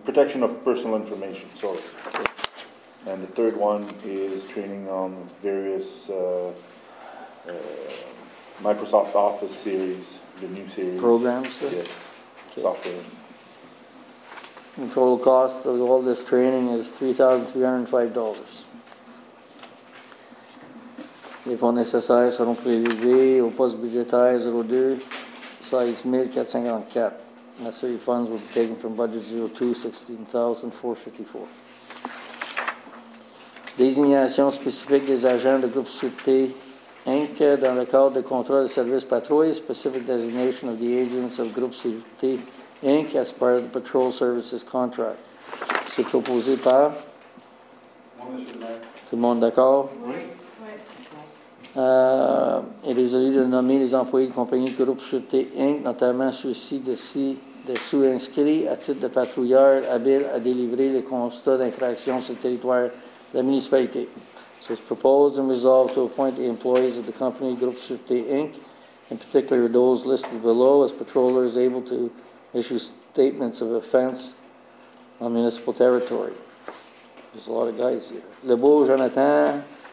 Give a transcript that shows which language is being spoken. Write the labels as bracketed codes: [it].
[en] Protection of personal information, sorry. And the third one is training on various Microsoft Office series, the new series. Programs? Yes, okay. Software. The total cost of all this training is $3,305. [fr] Les fonds nécessaires seront prévus au poste budgétaire 02-16454. [en] Necessary funds will be taken from budget 02-16454. [fr] Désignation spécifique des agents de groupe Sûreté Inc. dans le cadre de contrat de service patrouille, [en] specific designation of the agents of Groupe Sûreté Inc. as part of the patrol services contract. [fr] C'est proposé par? Oui, tout le monde d'accord? Oui. Il est résolu de nommer les employés de compagnie de Groupe Sûreté Inc., notamment ceux-ci de sous-inscrits à titre de patrouilleur habile à délivrer les constats d'infraction sur le territoire la municipalité. [en] So it's proposed and resolved to appoint the employees of the company Groupe Sûreté Inc., in particular those listed below, as patrollers able to issue statements of offense on municipal territory. There's a lot of guys here. Lebeau Jonathan,